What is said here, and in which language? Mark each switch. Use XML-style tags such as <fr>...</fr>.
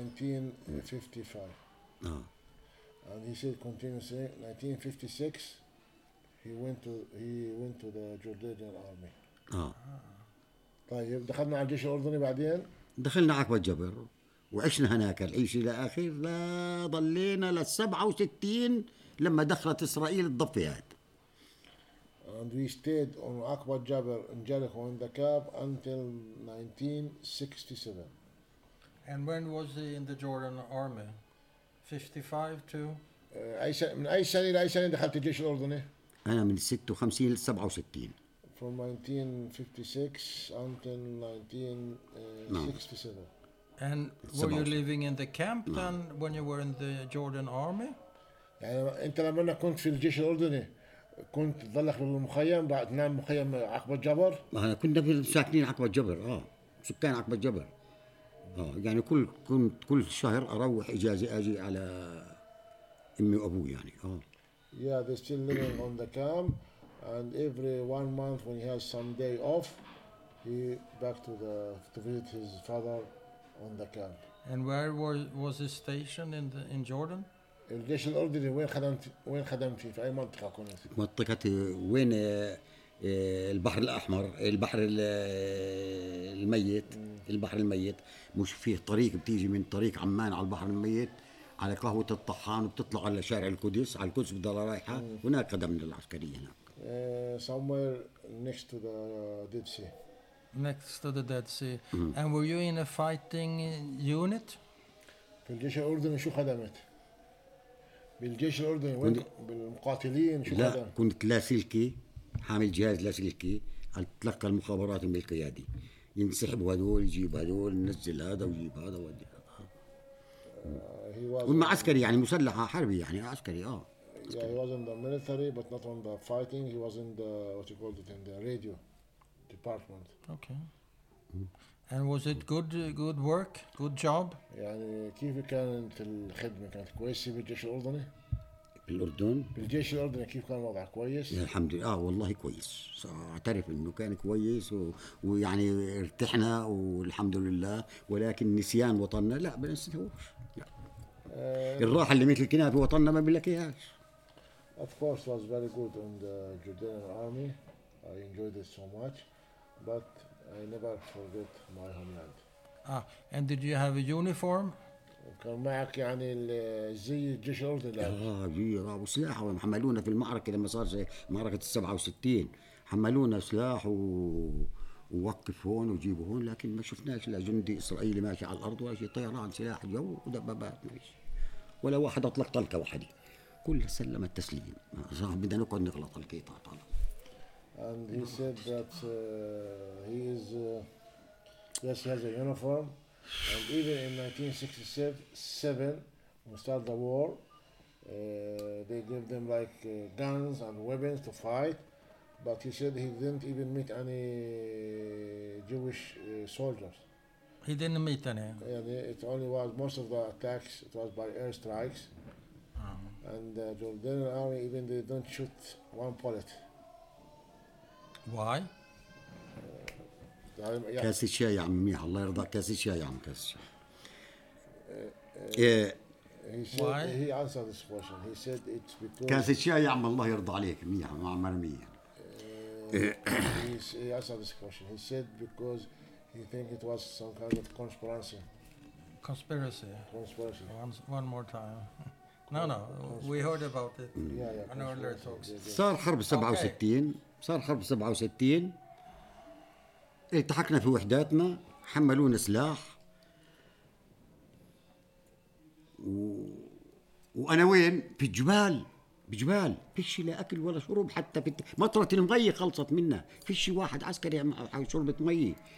<en>1955 and he said continuously 1956 he went to the Jordanian army.</en> <ar>طيب دخلنا على الجيش الأردني بعدين؟ دخلنا عقبة جبر وعشنا هناك العيش إلى آخر، لا ضلينا للسبعة وستين لما دخلت إسرائيل الضفيات.</ar> <en>And we stayed on Aqaba Jabr in Jericho in the camp until 1967. And when was he in the Jordan army? 55 to.</en> <ar>من أي سنة إلى أي سنة دخلت الجيش الأردني؟ أنا من 56 لسبعة وستين.</ar> <en>From 1956 until 1967. And were you living in the camp then when you were in the Jordan army?</en> <ar>يعني انت لما كنت في الجيش الاردني كنت ضلك بالمخيم بعد نام مخيم عقبة جبر؟ انا كنت في ساكنين عقبة جبر، سكان عقبة جبر. يعني كنت كل شهر اروح اجازه اجي على امي وابوي يعني.</ar> <en>Yeah, they still living on the camp and every 1 month when he has some day off he back to visit his father on the camp. And where was this station in the in Jordan?</en> <ar>الجيش الأردني وين خدمت وين خدمتي في أي منطقة كنت؟ منطقة وين البحر الأحمر البحر الميت البحر الميت مش فيه طريق بتيجي من طريق عمان على البحر الميت على قهوة الطحان وبتطلع على شارع القدس على القدس بدل رايحة هناك قدم للعسكرية هناك.</ar> <en>Somewhere next to the Dead Sea. Next to the Dead Sea. And were you in a fighting unit?</en> <ar>في الجيش الأردني شو خدمت؟ بالجيش الأردني وين؟ بالمقاتلين شو خدمت؟ لا كنت لاسلكي حامل جهاز لاسلكي أتلقى المخابرات من القيادي ينسحبوا هذول يجيب هذول ننزل هذا ويجيب هذا ودي هذا. هم عسكري يعني مسلحة حربي يعني عسكري آه.</ar> <en>Yeah, he was in the military, but not on the fighting. He was in the what you call it in the radio department. Okay. And was it good work, good job?</en> <ar>يعني كيف كانت الخدمة كانت كويسة بالجيش الأردني؟ بالأردن؟ بالجيش الأردني كيف كان الوضع كويس؟ الحمد لله والله كويس. أعترف إنه كان كويس ويعني ارتحنا والحمد لله. ولكن نسيان وطننا لا بنسيهوش. الراحة اللي مثل كنا في وطننا ما بنلاقيهاش.</ar> <en>Of course, was very good in the Jordanian army. I enjoyed it so much, but I never forget my homeland. Ah, and did you have a uniform?</en> <ar>كان معك يعني زي الجيش الأردني. وسلاح وحملونا في المعركة لما صار زي معركة 67 حملونا سلاح ووقف هون وجيب هون لكن ما شفناش لا جندي إسرائيلي ماشي على الأرض ولا شيء طيران سلاح جو ودبابات ماشي ولا واحد أطلق طلقة واحدة. كل سلم التسليم صح بدنا نقعد نغلط القيطة طالع.</ar> <en>And he said that he has a uniform and even in 1967 when started the war they gave them like guns and weapons to fight but he said he didn't even meet any Jewish soldiers. He didn't meet any. Yeah, it only was most of the attacks it was by air strikes. And the Jordanian army, even they don't shoot one bullet. Why?</en> <ar>كاس الشاي يا عمي الله يرضى كاس الشاي يا عم كاس الشاي.</ar> <en>He said, why? He answered this question. He said it's because</en> <ar>كاس الشاي يا عم الله يرضى عليك مية ما عمر مية.</ar> <en>He answered this question. He said because he think it was some kind of conspiracy. Conspiracy. Conspiracy. One more time. No, we heard about it in earlier talks.</en> <ar>صار حرب 67 صار حرب 67 التحقنا في وحداتنا حملونا سلاح وأنا وين في الجبال بجبال فيش لا أكل ولا شرب حتى في مطرة المي خلصت منا فيش واحد عسكري مع شربة مي.</ar>